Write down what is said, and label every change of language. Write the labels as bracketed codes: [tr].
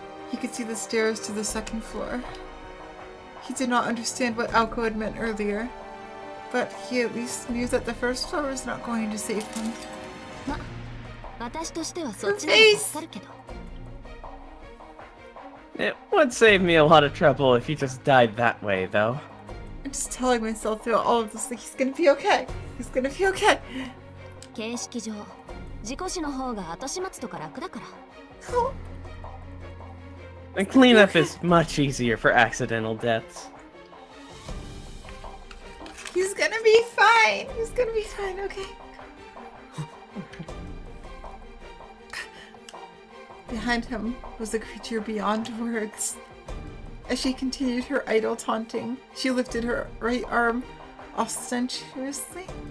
[en] He could see the stairs to the second floor. He did not understand what Aoko had meant earlier, but he at least knew that the first floor was not going to save him. Her face! It would save me a lot of trouble if he just died that way, though. I'm just telling myself through all of this that he's gonna be okay. He's gonna be okay. [ja] 形式上、事故死の方が後始末とか楽だから。 [en] The cleanup is much easier for accidental deaths. He's gonna be fine! He's gonna be fine, okay? Behind him was a creature beyond words. As she continued her idle taunting, she lifted her right arm ostentatiously.